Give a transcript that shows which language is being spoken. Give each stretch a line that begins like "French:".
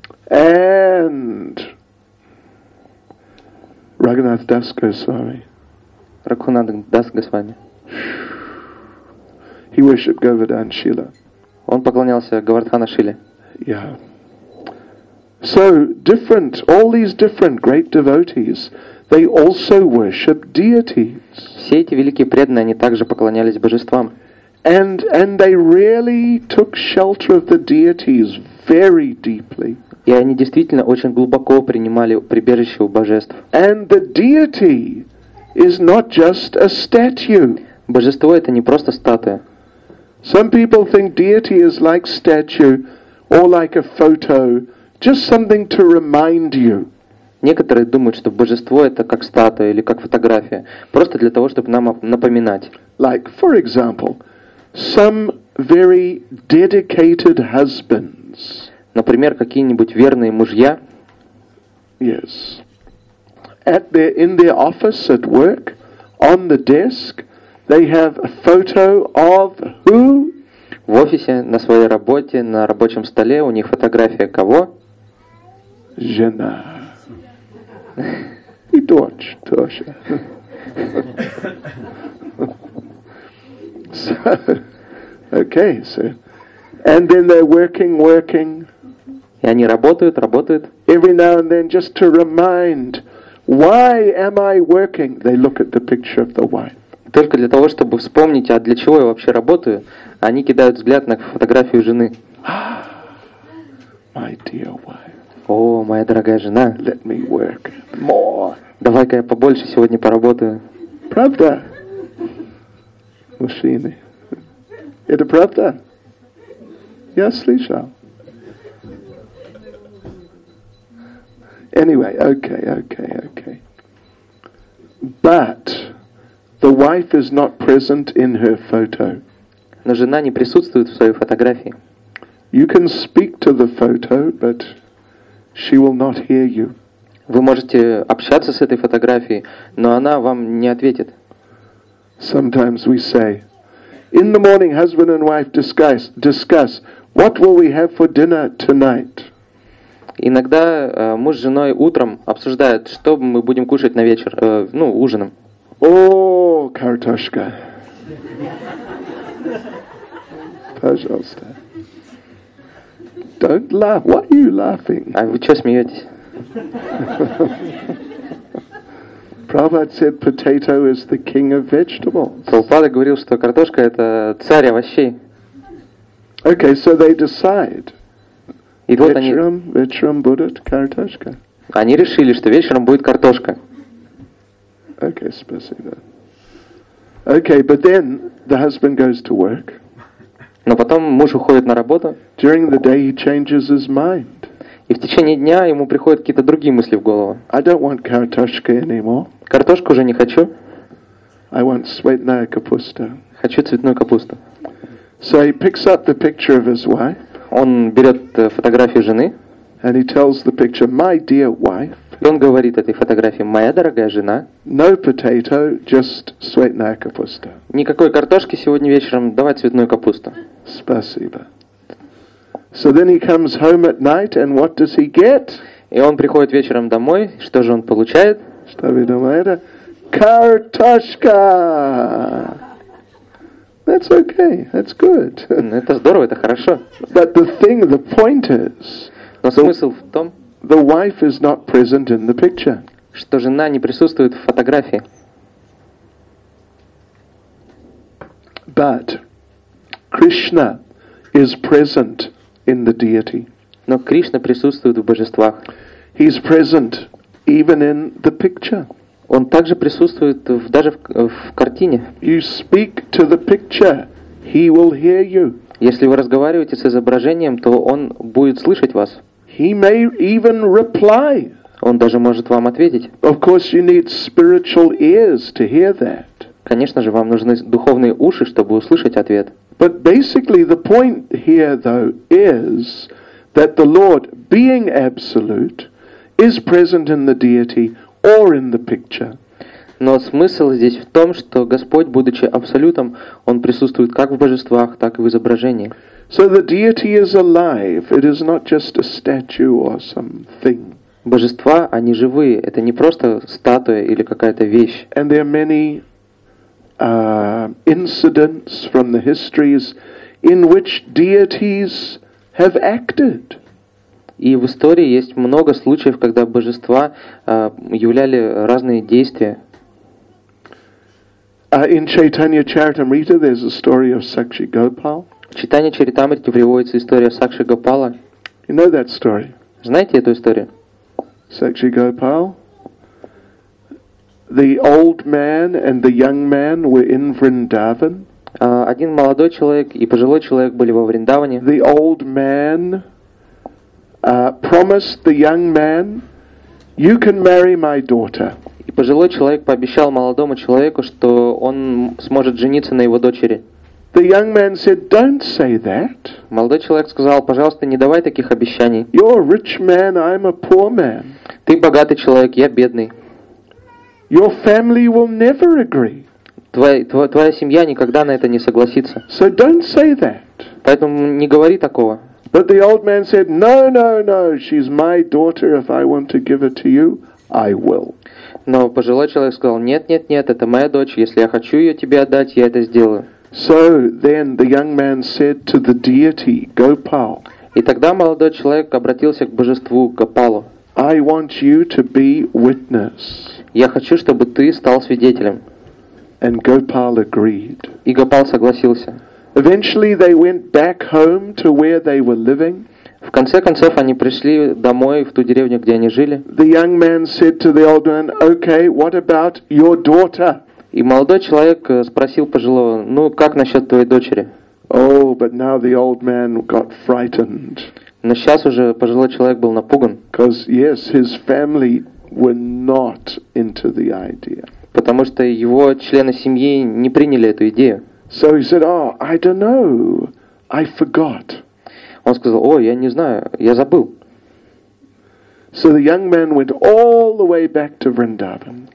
English: And Raghunath Das Goswami. Raghunath Das Goswami. He worshipped Govardhan Shila.
Russian: Он поклонялся Говардхана Шиле.
English: Yeah. So different, all these different great devotees, they also worship deities.
Russian: Все эти великие преданные, они также поклонялись божествам.
English: And they really took shelter of the deities very deeply.
Russian: И они действительно очень глубоко принимали прибежище у божеств.
English: And the deity is not just a statue.
Russian: Божество — это не просто статуя.
English: Some people think deity is like statue or like a photo, just something to remind you.
Russian: Некоторые думают, что божество — это как статуя или как фотография, просто для того, чтобы нам напоминать.
English: Like, for example, some very dedicated husbands.
Russian: Например, какие-нибудь верные мужья.
English: Yes. At their, in their office at work, on the desk, they have a photo of who?
Russian: В офисе, на своей работе, на рабочем столе у них фотография кого? Жена. И дочь тоже.
English: So, okay, so, and then they're working, working.
Russian: И они работают, работают.
English: Every now and then, just to remind, why am I working? They look at the picture of the wife.
Russian: Только для того, чтобы вспомнить, а для чего я вообще работаю, они кидают взгляд на фотографию жены.
English: My dear wife.
Russian: О, моя дорогая жена.
English: Let me work more.
Russian: Давай-ка я побольше сегодня поработаю. Правда? Мужчины. Это правда? Я слышал.
English: Anyway, okay, okay, okay. But the wife is not present in her photo.
Russian: Но жена не присутствует в своей фотографии.
English: You can speak to the photo, but she will not hear you.
Russian: Вы можете общаться с этой фотографией, но она вам не ответит.
English: Sometimes we say, in the morning, husband and wife discuss what will we have for dinner tonight.
Russian: Иногда муж с женой утром обсуждают, что мы будем кушать на вечер, ну, ужином. О, картошка. Пожалуйста.
English: Don't laugh. Why are you laughing?
Russian: А вы что смеетесь?
English: Prabhupada said potato is the king of vegetables.
Russian: Прабхупада говорил, что картошка — это царь овощей.
English: Okay, so they decide.
Russian: И вот вечером будет картошка. Они решили, что вечером будет картошка. Okay, спасибо.
English: Okay, but then the husband goes to work.
Russian: Но потом муж уходит на работу.
English: During the day he changes his mind.
Russian: И в течение дня ему приходят какие-то другие мысли в голову.
English: I don't want
Russian: картошка
English: anymore.
Russian: Картошку уже не хочу.
English: I want
Russian: цветная капуста. Хочу цветную капусту.
English: So he picks up the picture of his wife.
Russian: Он берет фотографию жены.
English: And he tells the picture, my dear wife.
Russian: И он говорит этой фотографии, моя дорогая жена.
English: No potato, just sweetная капуста.
Russian: Никакой картошки сегодня вечером, давай цветную капусту. Спасибо.
English: So then he comes home at night, and what does he get?
Russian: И он приходит вечером домой, что же он получает? Что вы думаете? Картошка!
English: That's okay, that's good.
Russian: Это здорово, это хорошо.
English: But the thing, the point is,
Russian: но смысл в том,
English: the wife is not present in the picture.
Russian: Что жена не присутствует в фотографии.
English: But Krishna is present in the deity.
Russian: Но Кришна присутствует в божествах.
English: He's present even in the picture.
Russian: Он также присутствует даже в картине.
English: You speak to the picture, he will hear you.
Russian: Если вы разговариваете с изображением, то он будет слышать вас.
English: He may even reply.
Russian: Он даже может вам ответить.
English: Of course you need spiritual ears to hear that.
Russian: Конечно же, вам нужны духовные уши, чтобы услышать ответ.
English: But basically the point here though is that the Lord, being absolute, is present in the deity or in the picture.
Russian: Но смысл здесь в том, что Господь, будучи абсолютом, он присутствует как в божествах, так и в изображении.
English: So the deity is alive. It is not just a statue or something.
Russian: Божества, они живые. Это не просто статуя или какая-то вещь.
English: And there are many incidents from the histories in which deities have acted.
Russian: И в истории есть много случаев, когда божества являли разные действия.
English: In Chaitanya Charitamrita there's a story of Sakshi Gopal.
Russian: В Чайтанья Чаритамрите приводится история Сакши Гопала.
English: You know that story?
Russian: Знаете эту историю?
English: Sakshi Gopal. The old man and the young man were in Vrindavan.
Russian: Один молодой человек и пожилой человек были во Вриндаване.
English: The old man promised the young man, "You can marry my daughter."
Russian: И пожилой человек пообещал молодому человеку, что он сможет жениться на его дочери.
English: The young man said, "Don't say that."
Russian: Молодой человек сказал: "Пожалуйста, не давай таких обещаний."
English: You're a rich man, I'm a poor man.
Russian: Ты богатый человек, я бедный.
English: Your family will never agree.
Russian: Твоя семья никогда на это не согласится.
English: So don't say that.
Russian: Поэтому не говори такого.
English: But the old man said, "No, no, no. She's my daughter. If I want to give her to you, I will."
Russian: Но пожилой человек сказал: "Нет, нет, нет. Это моя дочь. Если я хочу ее тебе отдать, я это сделаю."
English: So then the young man said to the deity Gopal.
Russian: И тогда молодой человек обратился к божеству Гопалу.
English: I want you to be witness.
Russian: Я хочу, чтобы ты стал свидетелем.
English: And Gopal agreed.
Russian: И Гопал согласился.
English: Eventually they went back home to where they were living.
Russian: В конце концов они пришли домой в ту деревню, где они жили.
English: The young man said to the old man, "Okay, what about your daughter?"
Russian: И молодой человек спросил пожилого: "Ну, как насчет твоей дочери?"
English: Oh, but now the old man got frightened.
Russian: Но сейчас уже пожилой человек был напуган.
English: Because yes, his family were not into the idea.
Russian: Потому что его члены семьи не приняли эту идею.
English: So he said, "Oh, I don't know. I forgot."
Russian: Он сказал: "О, я не знаю, я забыл."
English: So the young man went all the way back to Vrindavan.